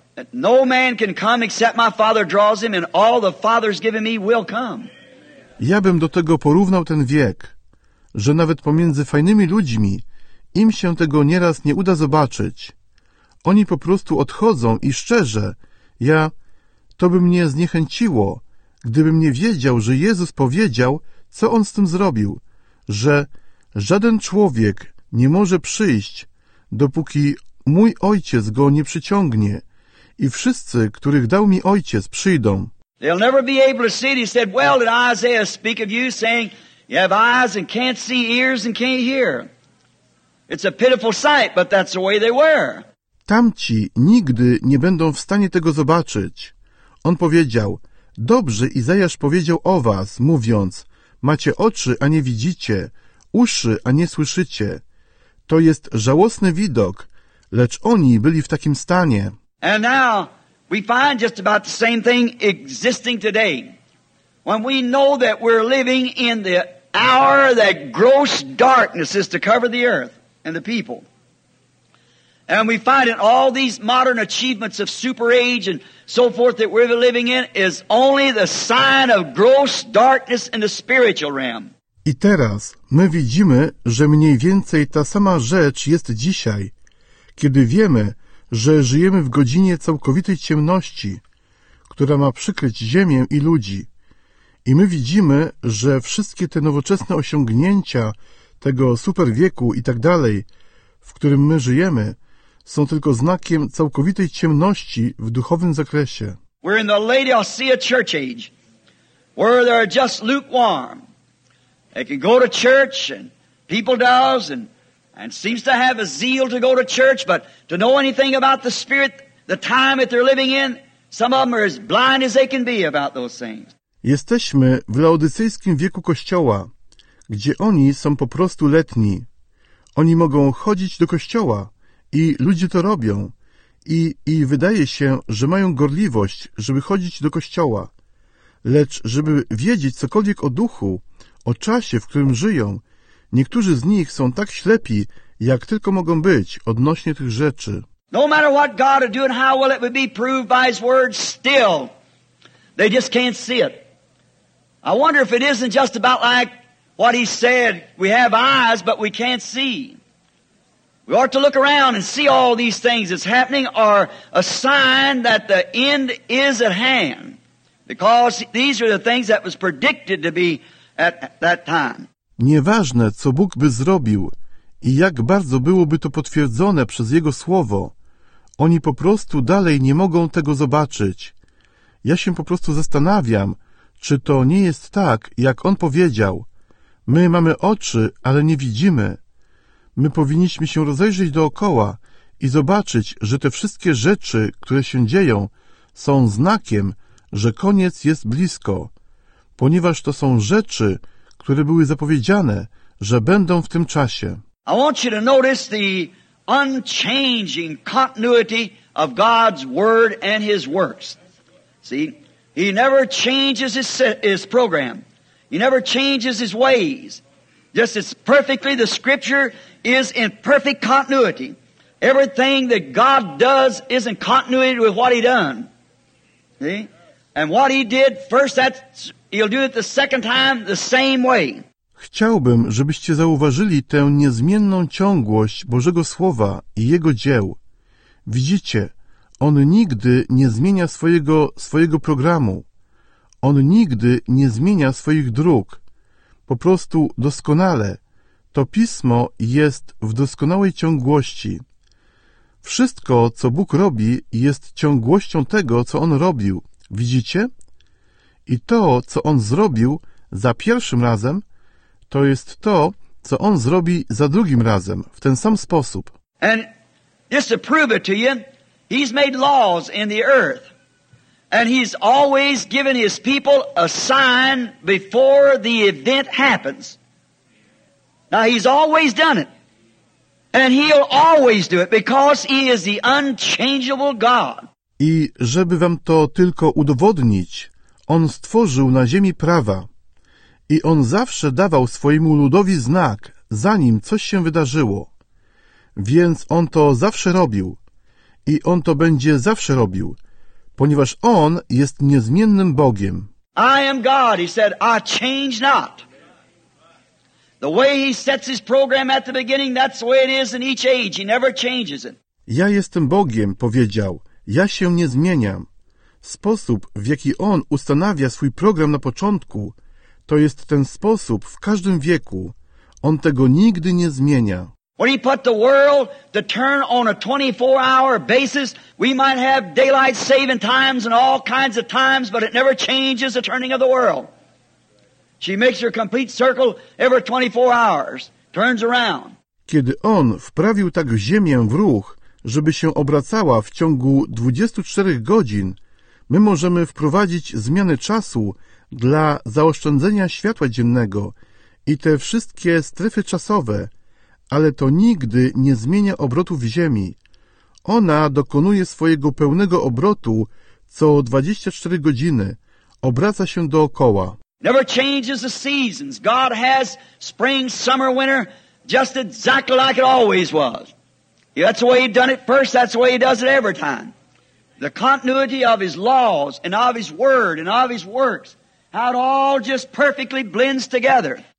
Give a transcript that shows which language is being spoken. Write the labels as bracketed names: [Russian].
[English] That no man can come except my Father draws him, and all the Father's given me will come. [Polish] Ja bym do tego porównał ten wiek, że nawet pomiędzy fajnymi ludźmi im się tego nieraz nie uda zobaczyć. Oni po prostu odchodzą i szczerze, to by mnie zniechęciło, gdybym nie wiedział, że Jezus powiedział, co On z tym zrobił, że żaden człowiek nie może przyjść, dopóki mój Ojciec go nie przyciągnie i wszyscy, których dał mi Ojciec, przyjdą. [English] They'll never be able to see it. He said, well, did Isaiah speak of you, saying, you have eyes and can't see, ears and can't hear. It's a pitiful sight, but that's the way they were. [Polish] Tamci nigdy nie będą w stanie tego zobaczyć. On powiedział, dobrze Izajasz powiedział o was, mówiąc, macie oczy, a nie widzicie, uszy, a nie słyszycie. To jest żałosny widok, lecz oni byli w takim stanie. [English] And now we find just about the same thing existing today. When we know that we're living in the hour that gross darkness is to cover the earth. And the people. And we find in all these modern achievements of super age and so forth that we're living in is only the sign of gross darkness in the spiritual realm. [Polish] I teraz my widzimy, że mniej więcej ta sama rzecz jest dzisiaj, kiedy wiemy, że żyjemy w godzinie całkowitej ciemności, która ma przykryć ziemię i ludzi. I my widzimy, że wszystkie te nowoczesne osiągnięcia tego super wieku i tak dalej, w którym my żyjemy, są tylko znakiem całkowitej ciemności w duchowym zakresie. [English] We're in the Laodicea church age, where they are just lukewarm. They can go to church, and people does, and seems to have a zeal to go to church, but to know anything about the spirit, the time that they're living in, some of them are as blind as they can be about those things. [Polish] Jesteśmy w laodycejskim wieku Kościoła, gdzie oni są po prostu letni. Oni mogą chodzić do kościoła i ludzie to robią i wydaje się, że mają gorliwość, żeby chodzić do kościoła. Lecz żeby wiedzieć cokolwiek o duchu, o czasie, w którym żyją, niektórzy z nich są tak ślepi, jak tylko mogą być odnośnie tych rzeczy. [English] No matter what God will do and how well it will be proved by his word, still they just can't see it. I wonder if it isn't just about like what he said, we have eyes, but we can't see. We ought to look around and see all these things that's happening are a sign that the end is at hand. Because these are the things that was predicted to be at that time. [Polish] Nieważne, co Bóg by zrobił i jak bardzo byłoby to potwierdzone przez Jego Słowo, oni po prostu dalej nie mogą tego zobaczyć. Ja się po prostu zastanawiam, czy to nie jest tak, jak On powiedział. My mamy oczy, ale nie widzimy. My powinniśmy się rozejrzeć dookoła i zobaczyć, że te wszystkie rzeczy, które się dzieją, są znakiem, że koniec jest blisko, ponieważ to są rzeczy, które były zapowiedziane, że będą w tym czasie. [English] I want you to notice the unchanging continuity of God's word and his works. See, He never changes his program. He never changes his ways. Just as perfectly, the Scripture is in perfect continuity. Everything that God does is in continuity with what He done. See? And what He did first, that's, He'll do it the second time the same way. [Polish] Chciałbym, żebyście zauważyli tę niezmienną ciągłość Bożego Słowa i Jego dzieł. Widzicie, On nigdy nie zmienia swojego programu. On nigdy nie zmienia swoich dróg. Po prostu doskonale. To Pismo jest w doskonałej ciągłości. Wszystko, co Bóg robi, jest ciągłością tego, co On robił. Widzicie? I to, co On zrobił za pierwszym razem, to jest to, co On zrobi za drugim razem, w ten sam sposób. [English] And just to prove it to you, He's made laws in the earth. And He's always given His people a sign before the event happens. Now, He's always done it. And He'll always do it because He is the unchangeable God. [Polish] I żeby wam to tylko udowodnić, On stworzył na ziemi prawa. I On zawsze dawał swojemu ludowi znak, zanim coś się wydarzyło. Więc On to zawsze robił. I On to będzie zawsze robił, ponieważ On jest niezmiennym Bogiem. [English] I am God, He said, I change not. The way He sets His program at the beginning, that's the way it is in each age. He never changes it. [Polish] Ja jestem Bogiem, powiedział. Ja się nie zmieniam. Sposób, w jaki On ustanawia swój program na początku, to jest ten sposób w każdym wieku. On tego nigdy nie zmienia. [English] When He put the world to turn on a 24-hour basis, we might have daylight saving times and all kinds of times, but it never changes the turning of the world. She makes her complete circle every 24 hours, turns around. [Polish] Kiedy On wprawił tak ziemię w ruch, żeby się obracała w ciągu 24 godzin, my możemy wprowadzić zmianę czasu dla zaoszczędzenia światła dziennego i te wszystkie strefy czasowe, ale to nigdy nie zmienia obrotów Ziemi. Ona dokonuje swojego pełnego obrotu co 24 godziny. Obraca się dookoła. [English] Never changes the seasons. God has spring, summer, winter, just exactly like it always was. That's the way He done it first, that's the way He does it every time. The continuity of His laws and of His word and of His works, how it all just perfectly blends together.